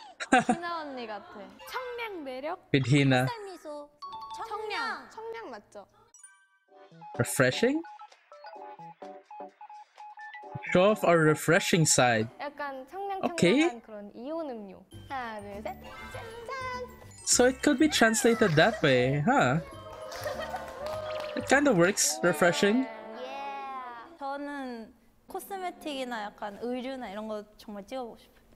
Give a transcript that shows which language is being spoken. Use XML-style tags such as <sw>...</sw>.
<ko>희나 언니 같아. 청량 매력.</ko> <en>With 희나.</en> <ko>미소. 청량. 청량 맞죠?</ko> <en>Refreshing. Show off our refreshing side.</en> <ko>약간 청량청량한 그런 이온 음료. 하나, 둘, 셋. 짠짠.</ko> <en>So it could be translated that way, huh? It kind of works, refreshing. Yeah.</en> <ko>코스메틱이나 약간 의류나 이런 거 정말 찍어보고 싶어.</ko>